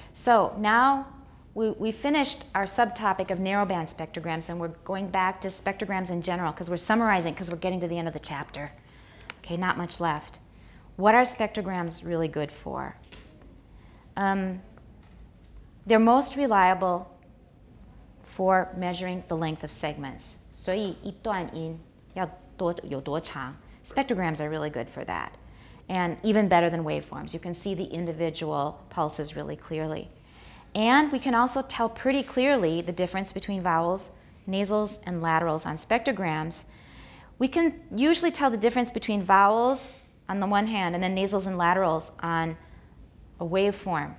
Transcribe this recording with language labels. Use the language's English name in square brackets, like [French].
[English] So now we finished our subtopic of narrowband spectrograms, and we're going back to spectrograms in general because we're summarizing, because we're getting to the end of the chapter. Okay, not much left. What are spectrograms really good for? They're most reliable for measuring the length of segments. [Chinese] 所以一段音要多有多长? [English] Spectrograms are really good for that. And even better than waveforms. You can see the individual pulses really clearly. And we can also tell pretty clearly the difference between vowels, nasals, and laterals on spectrograms. We can usually tell the difference between vowels on the one hand and then nasals and laterals on a waveform.